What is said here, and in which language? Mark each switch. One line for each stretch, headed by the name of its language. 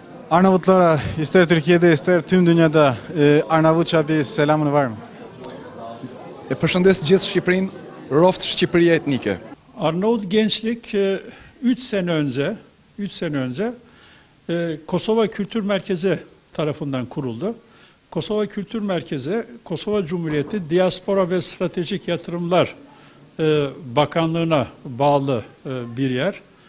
Turkish: Arnavutlara ister Türkiye'de ister tüm dünyada Arnavutça bir selamın var mı?
Albanian: Përshëndes gjithë Shqipërinë, roft Shqipëria etnike.
Turkish: Arnavut Gençlik 3 sene önce Kosova Kültür Merkezi tarafından kuruldu. Kosova Kültür Merkezi, Kosova Cumhuriyeti Diaspora ve Stratejik Yatırımlar Bakanlığı'na bağlı bir yer.